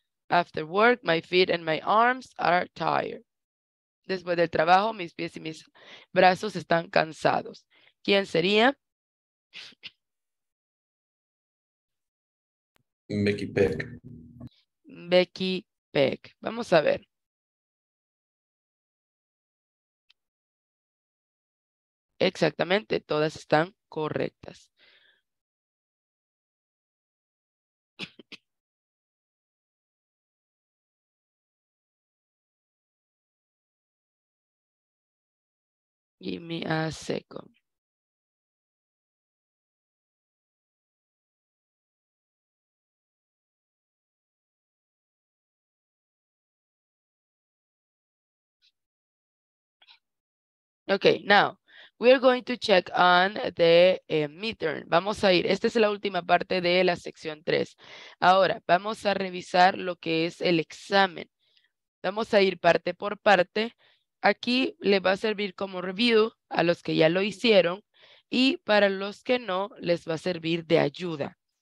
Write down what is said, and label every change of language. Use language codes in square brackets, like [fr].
[en] After work, my feet and my arms are tired. [es] Después del trabajo, mis pies y mis brazos están cansados. ¿Quién sería? Becky Peck. Becky Peck. Vamos a ver. Exactamente, todas están correctas. [en] Give me a second. Okay, now we are going to check on the midterm. [es] Vamos a ir. Esta es la última parte de la sección 3. Ahora vamos a revisar lo que es el examen. Vamos a ir parte por parte. Aquí le va a servir como review a los que ya lo hicieron y para los que no, les va a servir de ayuda.